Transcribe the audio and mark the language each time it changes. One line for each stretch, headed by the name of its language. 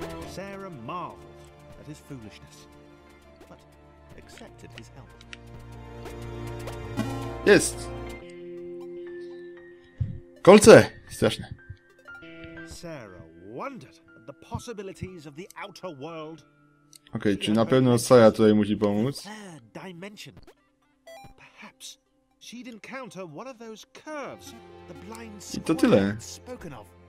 English: Sarah marveled at his foolishness, but accepted his help.
Polish: Jest. Kolce, straszne.
English: Sarah wondered at the possibilities of the outer world.
Polish: Okej, czy na pewno Sarah tutaj musi pomóc?
English: Dimension. Perhaps she'd encounter one of those curves the blind squirrel spoken of.